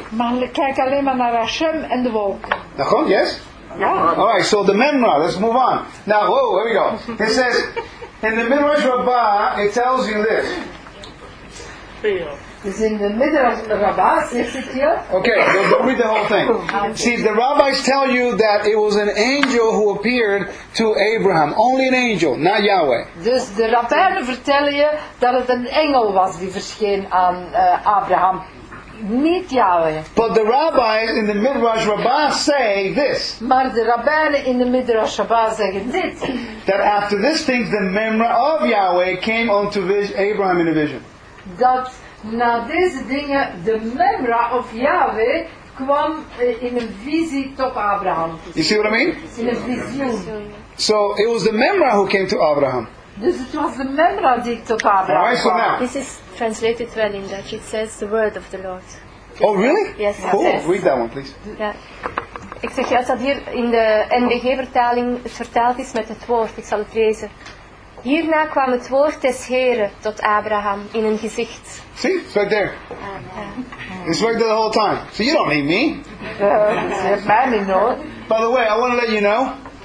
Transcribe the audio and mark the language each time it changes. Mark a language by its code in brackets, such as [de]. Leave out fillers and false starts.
[nl] Maar kijk alleen maar naar Hashem en de wolk. [en] Nachon, yes? [nl] Ja. [en] All right, so the Memra, let's move on. Now, whoa, here we go. It says, in the Midrash Rabbah, it tells you this. Is in the middle of the rabbis, is it here? Okay, don't read the whole thing. See, the rabbis tell you that it was an angel who appeared to Abraham. Only an angel, not Yahweh. [nl] Dus de rabbijnen vertellen je dat het een engel was die verscheen aan Abraham. Niet Yahweh. [en] But the rabbis in the Midrash Rabbah say this. [nl] Maar de rabbijnen in de Midrash Rabbah zeggen dit. [en] That after this thing, the memra of Yahweh came unto Abraham in a vision. [nl] Dat na deze dingen de memra of Yahweh kwam in een visie tot Abraham. [en] You see what I mean? [nl] In een visioen. [en] So it was the memra who came to Abraham. [nl] Dus het was de memra die tot Abraham kwam. [en] Right, so now. This is translated well in Dutch. It says the word of the Lord. Oh really? Yes. Cool. Yes. Read that one, please. Yeah. [nl] Ik zeg, als dat hier in de NBG vertaling vertaald is met het woord, ik zal het lezen. Hierna kwam het woord des Heren tot Abraham in een gezicht. [en] See, it's right there. It's right there the whole time. So you don't need me. By the way, I want to let you know.